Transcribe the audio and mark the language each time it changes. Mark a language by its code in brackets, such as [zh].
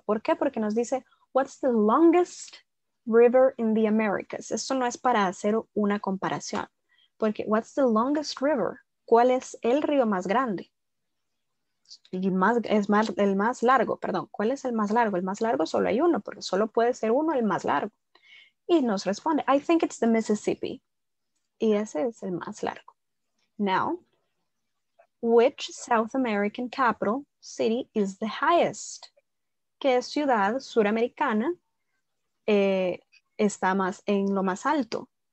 [es] ¿Por qué? Porque nos dice, [en] what's the longest river in the Americas? [es] Esto no es para hacer una comparación. Porque, [en] what's the longest river? [es] ¿Cuál es el río más grande? El más largo. ¿Cuál es el más largo? El más largo solo hay uno, porque solo puede ser uno el más largo. Y nos responde, [en] I think it's the Mississippi. [es] Y ese es el más largo. [en] Now, which South American capital city is the highest? [es] ¿Qué ciudad suramericana está más en lo más alto?